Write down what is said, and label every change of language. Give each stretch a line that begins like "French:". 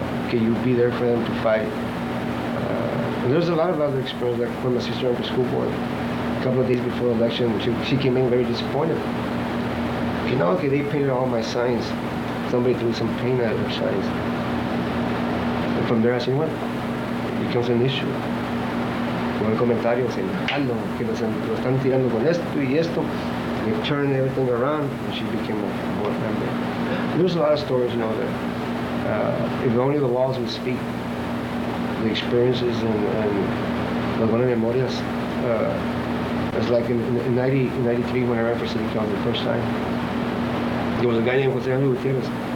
English: Can you be there for them to fight? And there's a lot of other experience, like when my sister went to school board. A couple of days before the election, she came in very disappointed. You know, okay, they painted all my signs. Somebody threw some paint at her signs. And from there, I said, what? It becomes an issue.
Spanish: Con el comentario, se enojando, que lo están tirando con esto y esto.
English: They turned everything around, and she became a board member. There's a lot of stories, you know, that if only the walls would speak, the experiences and the
Spanish: buenas memorias.
English: It's like in 93, when I ran for city council the first time, there was a guy named Jose Andrew Gutierrez.